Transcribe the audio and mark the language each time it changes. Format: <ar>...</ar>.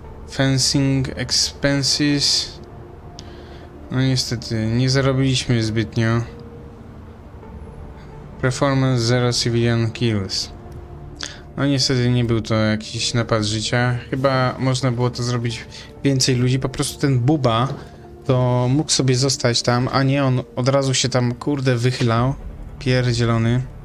<en>Fencing expenses.</en> <pl>No niestety, nie zarobiliśmy zbytnio.</pl> <en>Performance 0 civilian kills.</en> <pl>No niestety nie był to jakiś napad życia. Chyba można było to zrobić więcej ludzi. Po prostu ten Buba to mógł sobie zostać tam, a nie on od razu się tam kurde wychylał. Pierdzielony.</pl>